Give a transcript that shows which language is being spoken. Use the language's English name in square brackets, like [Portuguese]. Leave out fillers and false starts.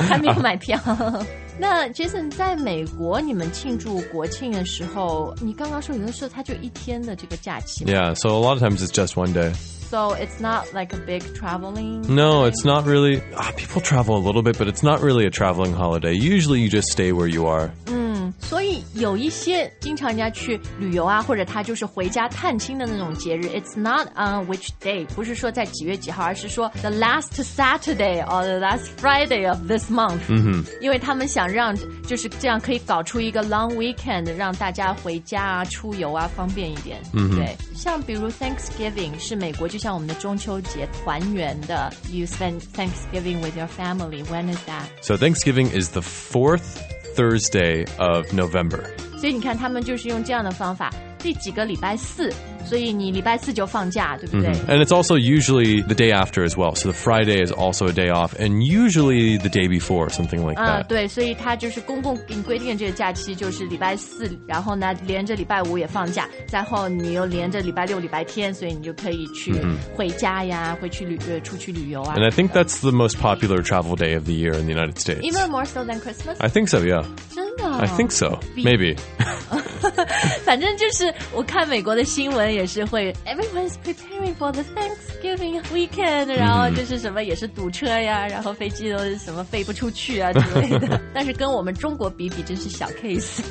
[Chinese] 还没有买票那 Jason 在美国你们庆祝国庆的时候你刚刚说有的时候它就一天的这个假期 [English] Yeah, so a lot of times it's just one day So it's not like a big traveling No, it's not really people travel a little bit but it's not really a traveling holiday Usually you just stay where you are [Chinese] 所以有一些经常人家去旅游啊，或者他就是回家探亲的那种节日 It's not on which day，不是说在几月几号，而是说 the last Saturday or the last Friday of this month、 mm-hmm. 因为他们想让就是这样可以搞出一个 long weekend， 让大家回家啊出游啊方便一点、 mm-hmm. 对，像比如 Thanksgiving 是美国就像我们的中秋节团圆的 You spend Thanksgiving with your family， When is that？ [English] So Thanksgiving is the fourthThursday of November. [Chinese] 所以你看他们就是用这样的方法第几个礼拜四所以你礼拜四就放假对不对、mm-hmm. [English] And it's also usually the day after as well. So the Friday is also a day off. And usually the day before, something like that. [Chinese] 对所以他就是公共给你规定的这个假期就是礼拜四然后呢连着礼拜五也放假然后你又连着礼拜六礼拜天所以你就可以去回家呀、mm-hmm. 回去旅、出去旅游啊 [English] And I think that's the most popular travel day of the year in the United States. Even more so than Christmas? I think so, yeah. [Chinese] 真的、 [English] 哦、I think so, maybe. [Chinese] 反正就是我看美国的新闻也是会 Everyone's preparing for the Thanksgiving weekend 然后就是什么也是堵车呀然后飞机都是什么飞不出去啊之类的但是跟我们中国比真是小 case